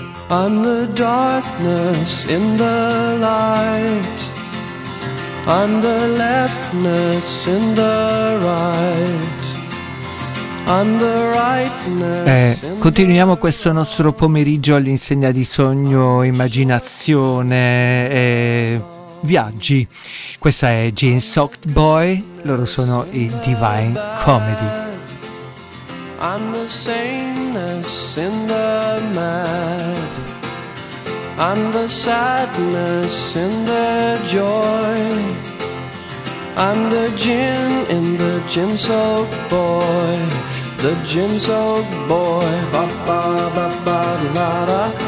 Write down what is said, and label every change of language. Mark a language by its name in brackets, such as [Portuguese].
[English] I'm the darkness in the light. I'm the leftness in the right. I'm the rightness. [Italian] Continuiamo questo nostro pomeriggio all'insegna di sogno, immaginazione e viaggi. Questa è Gene Soaked Boy. Loro sono i Divine Comedy. [English] I'm the sameness in the mad. I'm the sadness in the joy. I'm the gin in the gin soaked boy. The gin soaked boy. Ba ba ba ba la da.